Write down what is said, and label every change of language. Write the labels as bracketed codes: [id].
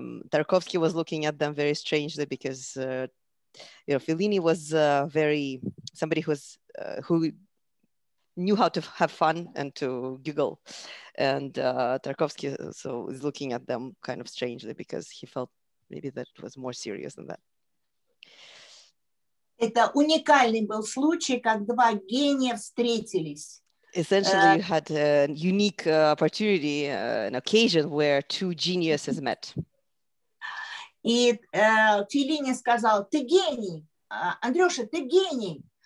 [en] Tarkovsky was looking at them very strangely because, you know, Fellini was somebody who was, who knew how to have fun and to giggle. And Tarkovsky so is looking at them kind of strangely because he felt maybe that it was more serious than that. [ru] Это уникальный был случай, как два гения встретились. [en] Essentially, you had a unique opportunity, an occasion where two geniuses met. [ru] И Феллини сказал, ты гений. Андрюша, ты гений.